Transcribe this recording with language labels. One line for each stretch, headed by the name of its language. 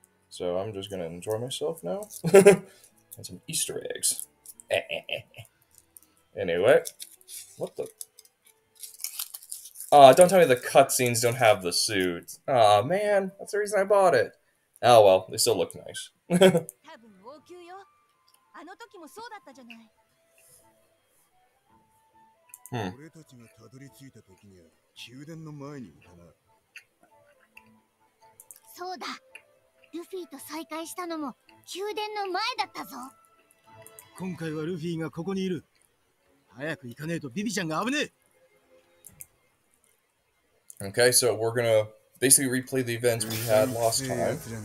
English: So I'm just gonna enjoy myself now. And some Easter eggs. Anyway, what the? Aw, don't tell me the cutscenes don't have the suits. Aw, man, that's the reason I bought it. Oh well, they still look nice.
Japanese: あの時もそうだったじゃない。俺たちがたどり着いた時には宮殿の前にいたな。そうだ、ルフィと再会したのも宮殿の前だったぞ。今回はルフィがここにいる。早く行かねえとビビちゃんが危ねえ。
English: Okay, so we're gonna basically replay the events we had last time.